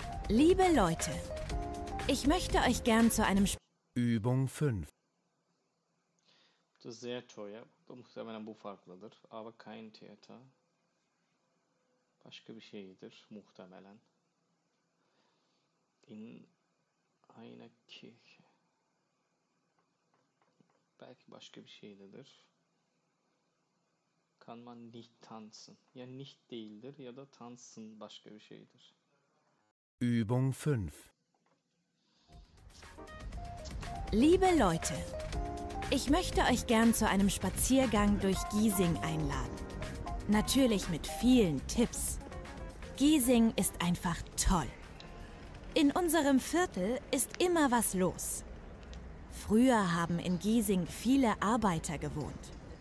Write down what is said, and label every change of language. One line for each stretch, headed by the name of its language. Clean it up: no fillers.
German: Liebe Leute, ich möchte euch gern zu einem Übung 5. Das ist sehr teuer, da muss man
Turkish: bu farklıdır,
German: aber kein Theater.
Turkish: Başka bir şeydir muhtemelen.
German: In einer Kirche.
Turkish: Belki başka bir şeydir.
German: Kann man nicht tanzen.
Turkish: Ya nicht değildir ya da tanzen başka bir şeydir.
German: Übung 5. Liebe Leute, ich möchte euch gern zu einem Spaziergang durch Giesing einladen. Natürlich mit vielen Tipps. Giesing ist einfach toll. In unserem Viertel ist immer was los. Früher haben in Giesing viele Arbeiter gewohnt.